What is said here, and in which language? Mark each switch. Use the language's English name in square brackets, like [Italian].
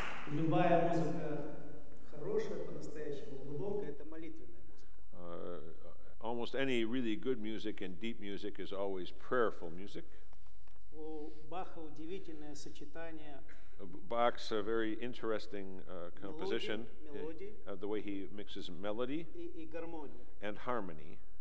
[Russian] любая музыка хорошая по-настоящему, глубокая, это молитвенная музыка. [English] Almost any really good music and deep music is always prayerful music. [Russian] У Баха удивительное сочетание. [English] Bach's a very interesting composition, the way he mixes melody and harmony.